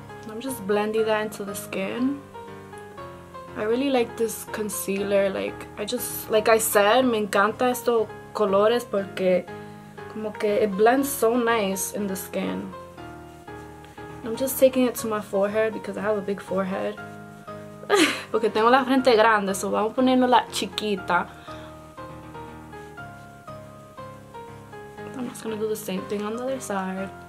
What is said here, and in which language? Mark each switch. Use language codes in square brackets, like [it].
[en] I'm just blending that into the skin. I really like this concealer. Like I just, like I said, [es] me encanta estos colores porque como que [en] it blends so nice in the skin. I'm just taking it to my forehead because I have a big forehead. [es] Porque tengo la frente grande, so vamos poniendo la chiquita. [en] I'm just gonna do the same thing on the other side.